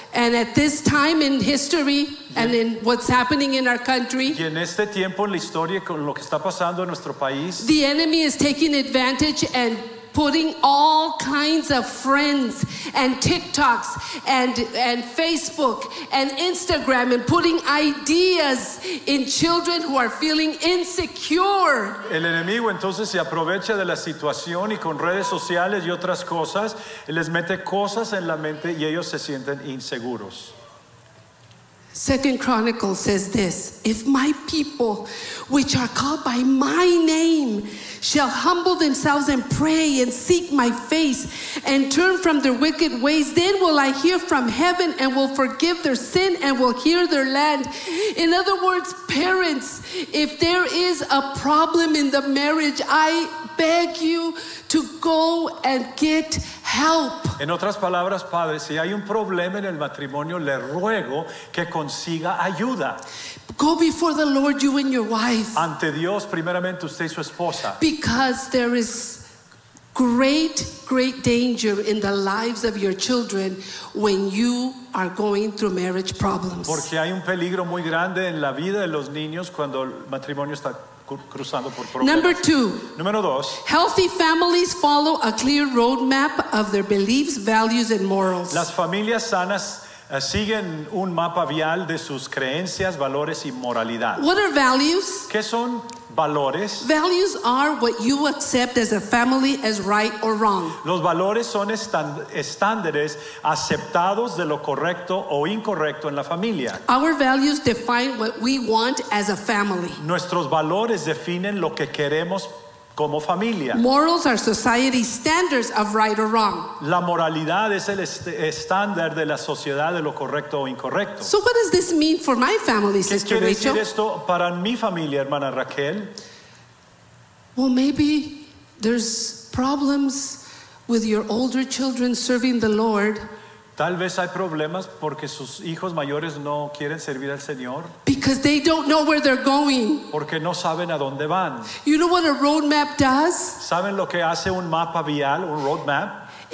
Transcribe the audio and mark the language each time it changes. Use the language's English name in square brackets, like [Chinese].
[English] And at this time in history and in what's happening in our country, [Spanish] y en este tiempo en la historia con lo que está pasando en nuestro país, [English] the enemy is taking advantage and putting all kinds of friends and TikToks and Facebook and Instagram and putting ideas in children who are feeling insecure. [Spanish] El enemigo entonces se aprovecha de la situación y con redes sociales y otras cosas les mete cosas en la mente y ellos se sienten inseguros. [English] Second Chronicles says this, if my people, which are called by my name, shall humble themselves and pray and seek my face and turn from their wicked ways, then will I hear from heaven and will forgive their sin and will heal their land. In other words, parents, if there is a problem in the marriage, I beg you to go and get help. [Spanish] En otras palabras, padre, si hay un problema en el matrimonio, le ruego que consiga ayuda. [English] Go before the Lord, you and your wife. [Spanish] Ante Dios, primeramente usted y su esposa. [English] Because there is great, great danger in the lives of your children when you are going through marriage problems. [Spanish] Porque hay un peligro muy grande en la vida de los niños cuando el matrimonio está cruzando por problemas. [English] Number two. [Spanish] Número dos. [English] Healthy families follow a clear roadmap of their beliefs, values, and morals. [Spanish] Las familias sanas siguen un mapa vial de sus creencias, valores y moralidad. [English] What are values? [Spanish] ¿Qué son valores? [English] Values are what you accept as a family as right or wrong. [Spanish] Los valores son estándares aceptados de lo correcto o incorrecto en la familia. [English] Our values define what we want as a family. [Spanish] Nuestros valores definen lo que queremos como familia. [English] Morals are society's standards of right or wrong. [Spanish] La moralidad es el estándar de la sociedad de lo correcto o incorrecto. [English] So what does this mean for my family, Sister Rachel? [Spanish] ¿Qué quiere decir esto para mi familia, hermana Raquel? [English] Well, maybe there's problems with your older children serving the Lord. [Spanish] Tal vez hay problemas porque sus hijos mayores no quieren servir al Señor. [English] Because they don't know where they're going. [Spanish] Porque no saben a dónde van. [English] You know what a roadmap does? [Spanish] ¿Saben lo que hace un mapa vial, un roadmap?